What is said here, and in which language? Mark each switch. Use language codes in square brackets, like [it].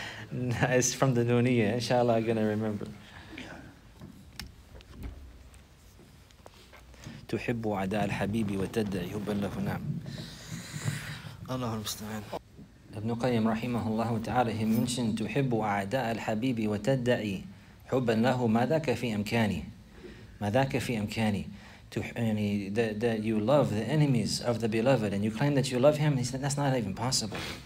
[en] It's from the Nuniyah. Inshallah, I'm going to remember. [ar] تحب عداء الحبيب وتدعي حبا له نعم الله المستعان. Ibn Qayyim rahimahullah ta'ala, [en] he mentioned [ar] تحب عداء الحبيب وتدعي حبا له ما ذاك في امكاني ما ذاك في امكاني. [en] That you love the enemies of the beloved and you claim that you love him, he said that's not even possible.